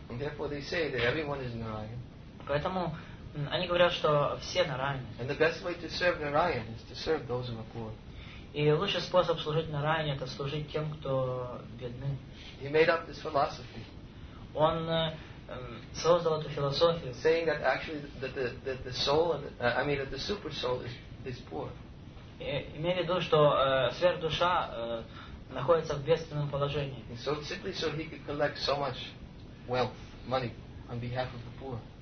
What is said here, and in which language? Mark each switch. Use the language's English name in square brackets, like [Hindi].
[English] And therefore they say that everyone is Narayan. [Russian] Поэтому они говорят, что все Нараяны. [English] And the best way to serve Narayan is to serve those who are poor. [Russian] И лучший способ служить Нараяне – это служить тем, кто бедны. [English] He made up this philosophy. [Russian] Он создал эту философию. [English] Saying that actually that the soul, that the super soul is poor. [Russian] Имея в виду, что сверхдуша находится в бедственном положении. [English] So simply so he could collect so much wealth, money on behalf of the poor.